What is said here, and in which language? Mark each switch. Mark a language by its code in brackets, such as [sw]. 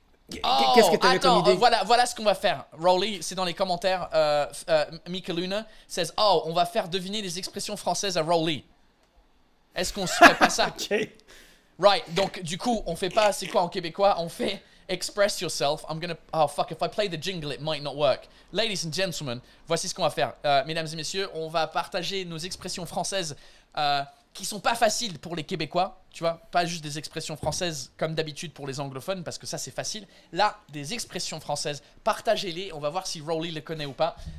[fr] Qu'est-ce que t'avais attends, comme idée? Voilà ce qu'on va faire. Rowley, c'est dans les commentaires. Mika Luna says, oh, on va faire deviner les expressions françaises à Rowley. Est-ce qu'on se fait pas ça? Ok. Right, donc du coup, on fait pas, c'est quoi en québécois? [en] On fait express yourself. I'm gonna. Oh fuck, if I play the jingle, it might not work. Ladies and gentlemen, [fr] voici ce qu'on va faire. Mesdames et messieurs, on va partager nos expressions françaises qui sont pas faciles pour les Québécois, tu vois, pas juste des expressions françaises comme d'habitude pour les anglophones, parce que ça c'est facile. Là, des expressions françaises, partagez-les, on va voir si Rowley le connaît ou pas.